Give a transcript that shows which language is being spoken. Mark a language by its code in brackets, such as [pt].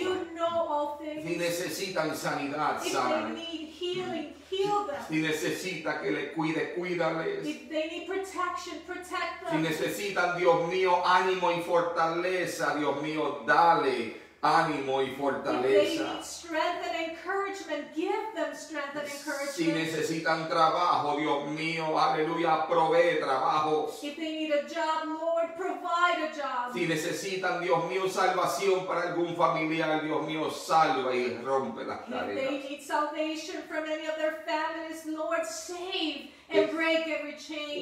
[en] You know all things. [es] Si necesitan sanidad, [en] if [es] sanan. [en] They need healing. Heal them. [es] Si necesita que le cuide, cuídales. [en] If they need protection, protect them. [es] Si necesitan, Dios mío, ánimo y fortaleza, Dios mío, dale ánimo y fortaleza. [en] If they need strength and encouragement, give them strength and encouragement. [es] Si necesitan trabajo, Dios mío, aleluya, provee trabajo. [en] If they need a job, Lord, provide a job. [es] Si necesitan, Dios mío, salvación para algún familiar, Dios mío, salva y rompe las cadenas. [en] If they need salvation from any of their families, Lord, save and break every chain.